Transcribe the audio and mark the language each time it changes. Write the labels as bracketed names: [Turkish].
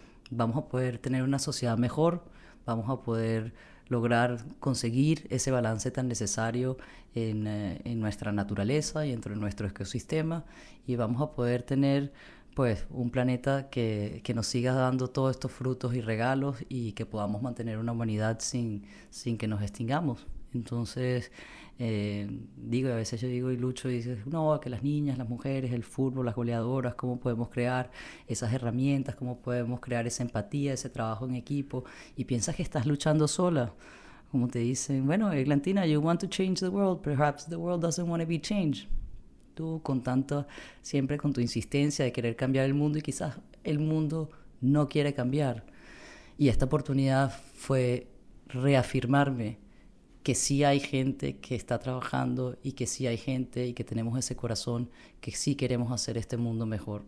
[Spanish] vamos a poder tener una sociedad mejor, vamos a poder lograr conseguir ese balance tan necesario en nuestra naturaleza y dentro de nuestro ecosistema, y vamos a poder tener pues un planeta que nos siga dando todos estos frutos y regalos, y que podamos mantener una humanidad sin que nos extingamos. Entonces, a veces yo digo y lucho y dices, no, que las niñas, las mujeres, el fútbol, las goleadoras, cómo podemos crear esas herramientas, cómo podemos crear esa empatía, ese trabajo en equipo, y piensas que estás luchando sola. Como te dicen, bueno, [English] Eglantina, you want to change the world, perhaps the world doesn't want to be changed. [Spanish] Tú con tanto, siempre con tu insistencia de querer cambiar el mundo, y quizás el mundo no quiere cambiar. Y esta oportunidad fue reafirmarme que sí hay gente que está trabajando, y que sí hay gente y que tenemos ese corazón, que sí queremos hacer este mundo mejor.